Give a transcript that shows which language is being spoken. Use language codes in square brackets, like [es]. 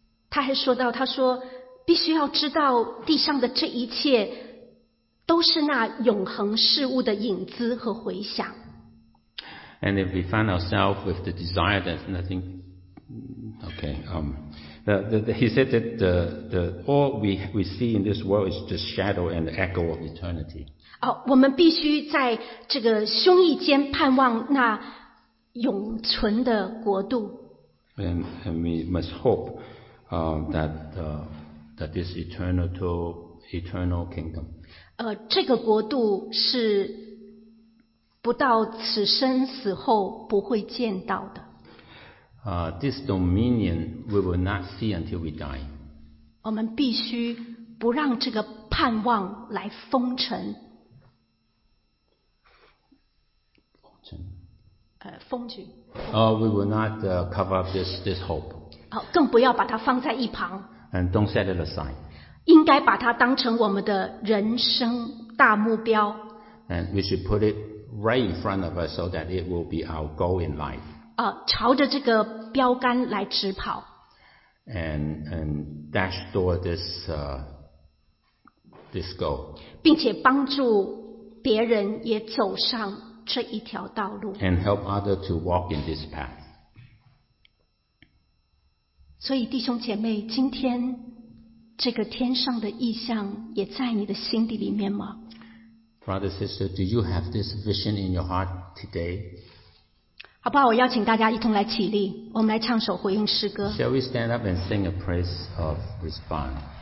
[zh] 他还说到，他说必须要知道地上的这一切都是那永恒事物的影子和回响。 [en] And if we find ourselves with the desire that nothing... Okay, he said that all we see in this world is just shadow and echo of eternity. [zh] 我们必须在这个胸臆间盼望那永存的国度。 [en] And we must hope that this eternal kingdom. [zh] 这个国度是不到此生死后不会见到的。 [en] This dominion we will not see until we die. [zh] 我们必须不让这个盼望来封尘。封尘。封局。 [en] We will not cover up this hope. [zh] 更不要把它放在一旁。 [en] And don't set it aside. [zh] 应该把它当成我们的人生大目标。 [en] And we should put it right in front of us so that it will be our goal in life. [zh] 朝着这个标杆来直跑。 [en] And dash toward this goal. [zh] 并且帮助别人也走上这一条道路。 [en] And help others to walk in this path. [zh] 所以弟兄姐妹，今天这个天上的意象也在你的心底里面吗？ [en] Brother, sister, do you have this vision in your heart today? [zh] 好不好，我邀请大家一同来起立，我们来唱首回应诗歌。 [en] Shall we stand up and sing a praise of response?